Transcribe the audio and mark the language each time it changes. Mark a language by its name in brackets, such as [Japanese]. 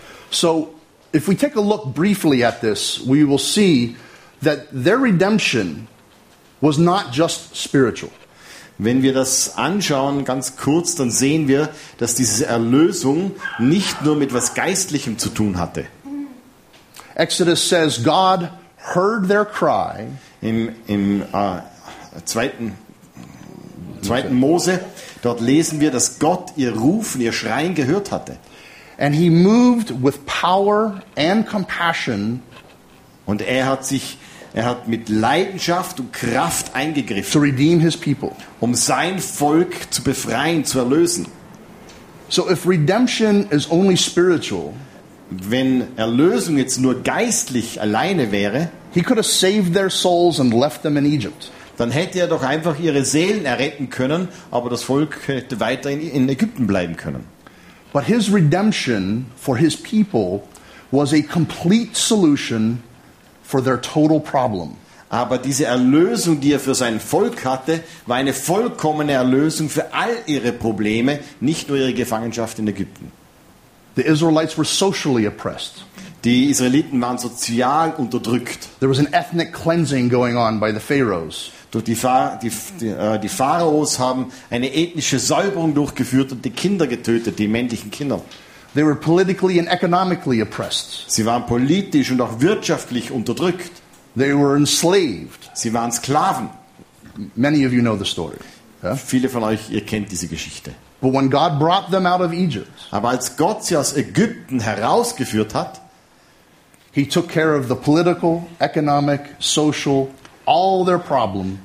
[English] So, if we take a look briefly at this, we will see that their redemption was not just spiritual. [German] Wenn wir das anschauen, ganz kurz, dann sehen wir, dass diese Erlösung nicht nur mit was Geistlichem zu tun hatte. [English] Exodus says, God heard their cry. [German] Im zweiten Mose, dort lesen wir, dass Gott ihr Rufen, ihr Schreien gehört hatte. [English] And he moved with power and compassion. [German] Und er hat mit Leidenschaft und Kraft eingegriffen. [English] To redeem his people. [German] Um sein Volk zu befreien, zu erlösen. [English] So if redemption is only spiritual, [German] wenn Erlösung jetzt nur geistlich alleine wäre, [English] he could have saved their souls and left them in Egypt. [German] Dann hätte er doch einfach ihre Seelen erretten können, aber das Volk hätte weiter in Ägypten bleiben können. [English] But his redemption for his people was a complete solution for their total problem. [German] Aber diese Erlösung, die er für sein Volk hatte, war eine vollkommene Erlösung für all ihre Probleme, nicht nur ihre Gefangenschaft in Ägypten. [English] The Israelites were socially oppressed. [German] Die Israeliten waren sozial unterdrückt. [English] There was an ethnic cleansing going on by the Pharaohs. [German] Die Pharaos haben eine ethnische Säuberung durchgeführt und die Kinder getötet, die männlichen Kinder. [English] They were politically and economically oppressed. [German] Sie waren politisch und auch wirtschaftlich unterdrückt. [English] They were enslaved. [German] Sie waren Sklaven. [English] Many of you know the story. Yeah? [German] Viele von euch, ihr kennt diese Geschichte. [English] But when God brought them out of Egypt, [German] aber als Gott sie aus Ägypten herausgeführt hat, [English] he took care of the political, economic, social, all their problem.